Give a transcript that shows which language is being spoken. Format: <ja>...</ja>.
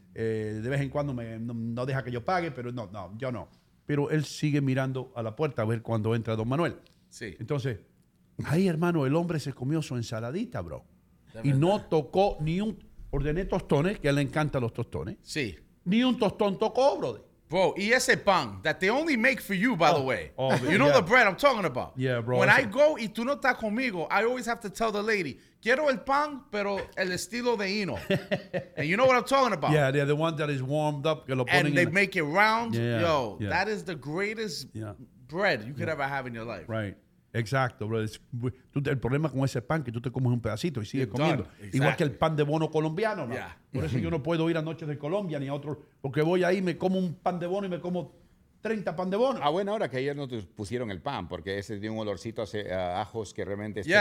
<es>De vez en cuando no deja que yo pague, pero no, yo no. Pero él sigue mirando a la puerta a ver cuándo entra Don Manuel. Sí. Entonces, ahí, hermano, el hombre se comió su ensaladita, bro. De y verdad. No tocó ni un... Ordené tostones, que a él le encantan los tostones. Sí. Ni un tostón tocó, brother.</es> <en>Bro,</en> <es>y ese pan</es> <en>that they only make for you, by the way. You know the bread I'm talking about. Yeah, bro. When I go</en> <es>y tú no estás conmigo,</es> <en>I always have to tell the lady,</en> <es>quiero el pan, pero el estilo de Hino.</es> <en>And you know what I'm talking about. Yeah, yeah, the one that is warmed up.</en> <es>Que lo ponen</es> <en>and they make it round. Yeah, that is the greatest bread you could ever have in your life. Right.</en> <es>Exacto,</es> <en>bro.</en> <es>Es, tú, el problema con ese pan que tú te comes un pedacito y sigues comiendo.</es> <en>Exactly.</en> <es>Igual que el pan de bono colombiano, ¿no?</es> <en>Yeah.</en> <es>Por eso yo no puedo ir a Noches de Colombia ni a otro, porque voy ahí, me como un pan de bono y me como 30 pan de bono. A buena hora que ayer no te pusieron el pan, porque ese tiene un olorcito a ajos que realmente es</es>